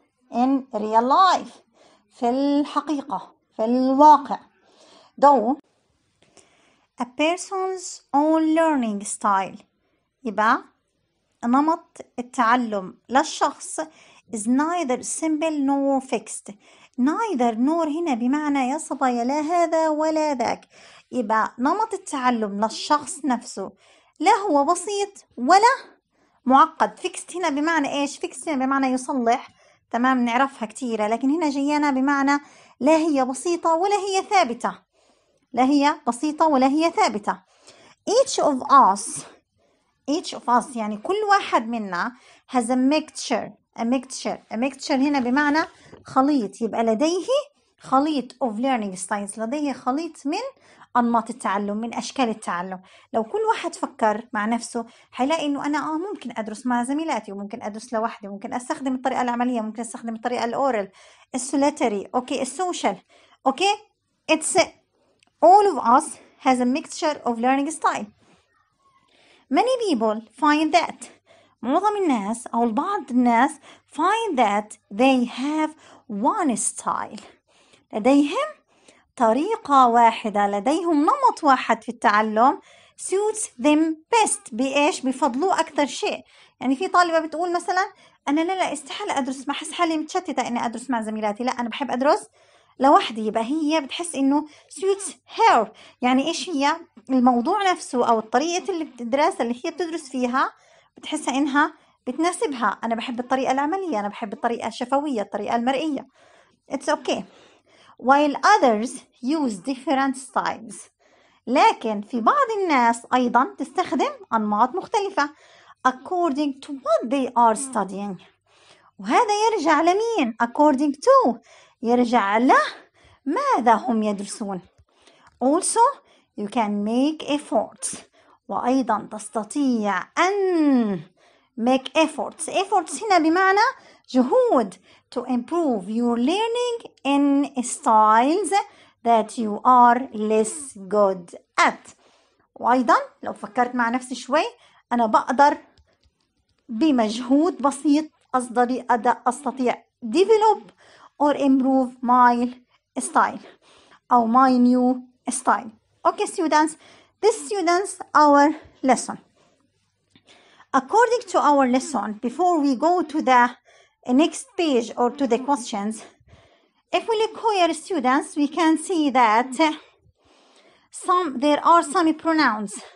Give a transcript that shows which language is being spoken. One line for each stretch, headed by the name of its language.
English: in real life,
Arabic: في الحقيقة في الواقع.
English: though a person's own learning style,
Arabic: يبقى نمط التعلم للشخص,
English: is neither simple nor fixed.
Arabic: neither nor هنا بمعنى يا صبايا لا هذا ولا ذاك. يبقى نمط التعلم للشخص نفسه لا هو بسيط ولا معقد. fixed هنا بمعنى ايش؟ fixed هنا بمعنى يصلح, تمام, نعرفها كثيرة, لكن هنا جينا بمعنى لا هي بسيطة ولا هي ثابتة. لا هي بسيطة ولا هي ثابتة.
English: each of us
Arabic: يعني كل واحد منا
English: has a mixture
Arabic: هنا بمعنى خليط. يبقى لديه خليط
English: of learning styles,
Arabic: لديه خليط من أنماط التعلم, من أشكال التعلم. لو كل واحد فكر مع نفسه حيلاقي إنه أنا ممكن أدرس مع زميلاتي, وممكن أدرس لوحدي, ممكن أستخدم الطريقة العملية, ممكن أستخدم الطريقة الأورال, السولتري, أوكي السوشيال, أوكي
English: it's all of us has a mixture of learning style. Many people find that
Arabic: معظم الناس أو البعض الناس
English: find that they have one style.
Arabic: لديهم طريقة واحدة، لديهم نمط واحد في التعلم
English: suits them best.
Arabic: بإيش؟ بفضلوا أكثر شيء. يعني في طالبة بتقول مثلا أنا لا استحالة أدرس، ما أحس حالي متشتتة إني أدرس مع زميلاتي، لا أنا بحب أدرس لوحدي. يبقى هي بتحس إنه suits her. يعني إيش هي؟ الموضوع نفسه أو الطريقة اللي بتدرس اللي هي بتدرس فيها بتحسها إنها بتناسبها. أنا بحب الطريقة العملية، أنا بحب الطريقة الشفوية، الطريقة المرئية.
English: It's okay. While others use different styles.
Arabic: لكن في بعض الناس أيضا تستخدم أنماط مختلفة
English: according to what they are studying.
Arabic: وهذا يرجع لمين؟ according to، يرجع لماذا هم يدرسون.
English: Also you can make efforts.
Arabic: وأيضا تستطيع أن
English: make efforts.
Arabic: Efforts هنا بمعنى جهود.
English: To improve your learning in styles that you are less good at.
Arabic: وأيضا لو فكرت مع نفسي شوي، أنا بقدر بمجهود بسيط أصدري أداء أستطيع
English: develop or improve my style
Arabic: أو
English: my new style. Okay students, this students our lesson. According to our lesson, before we go to the next page or to the questions, if we look here students, we can see that there are some pronouns.